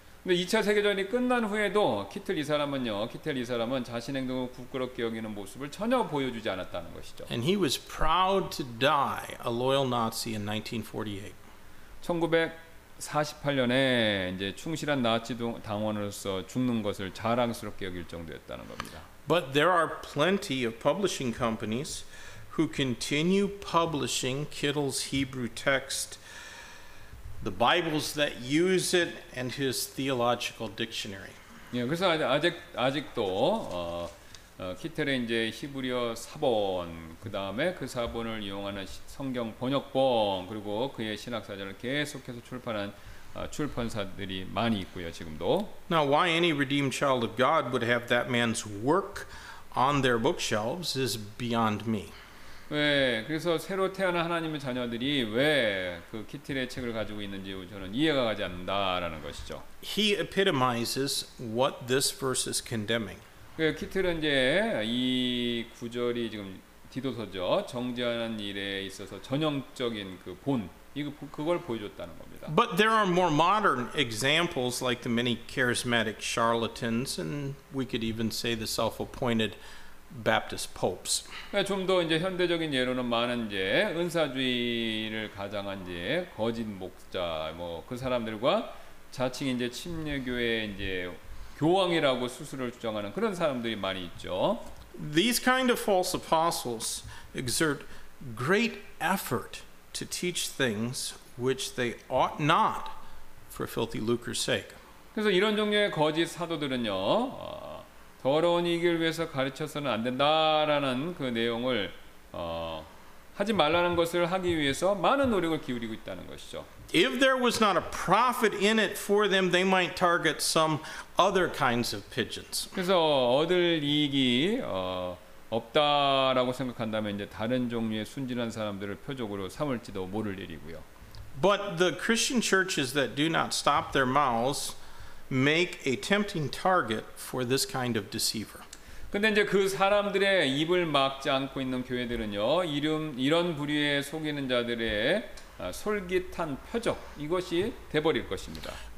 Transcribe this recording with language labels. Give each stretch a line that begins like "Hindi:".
Korean: 근데 2차 세계전이 끝난 후에도 키틀 이 사람은 자신의 행동을 부끄럽게 여기는 모습을 전혀 보여주지 않았다는 것이죠.
English: And he was proud to die a loyal Nazi in 1948.
Korean: 48년에 이제 충실한 나치 당원으로서 죽는 것을 자랑스럽게 여길 정도였다는 겁니다.
English: But there are plenty of publishing companies who continue publishing Kittle's Hebrew text, the Bibles that use it, and his theological dictionary.
Korean: 예, 그래서 아직도 키틀의 이제 히브리어 사본, 그 다음에 그 사본을 이용하는 성경 번역본, 그리고 그의 신학사전을 계속해서 출판한 출판사들이 많이 있고요, 지금도.
English: Now, why any redeemed child of God would have that man's work on their bookshelves is beyond me.
Korean: 왜? 그래서 새로 태어난 하나님의 자녀들이 왜 그 키틀의 책을 가지고 있는지 저는 이해가 가지 않는다라는 것이죠.
English: He epitomizes what this verse is condemning.
Korean: 키틀은 이제 이 구절이 지금 디도서죠. 정죄하는 일에 있어서 전형적인 그 본, 그걸 보여줬다는 겁니다.
English: But there are more modern examples like the many charismatic charlatans and we could even say the self-appointed Baptist popes.
Korean: 좀 더 이제 현대적인 예로는 많은 이제 은사주의를 가장한 이제 거짓 목자 뭐 그 사람들과 자칭 이제 침례교회 이제 교황이라고 스스로를 주장하는 그런 사람들이 많이 있죠.
English: These kind of false apostles exert great effort to teach things which they ought not for filthy lucre's sake.
Korean: 그래서 이런 종류의 거짓 사도들은요, 더러운 이익을 위해서 가르쳐서는 안 된다라는 그 내용을 하지 말라는 것을 하기 위해서 많은 노력을 기울이고 있다는 것이죠.
English: If there was not a profit in it for them, they might target some other kinds of pigeons.
Korean: 그래서 얻을 이익이 없다라고 생각한다면 이제 다른 종류의 순진한 사람들을 표적으로 삼을지도 모를 일이고요.
English: But the Christian churches that do not stop their mouths make a tempting target for this kind of deceiver.
Korean: 근데 이제 그 사람들의 입을 막지 않고 있는 교회들은요, 이런 부류의 속이는 자들의 솔깃한 표적 이것이 되어버릴 것입니다.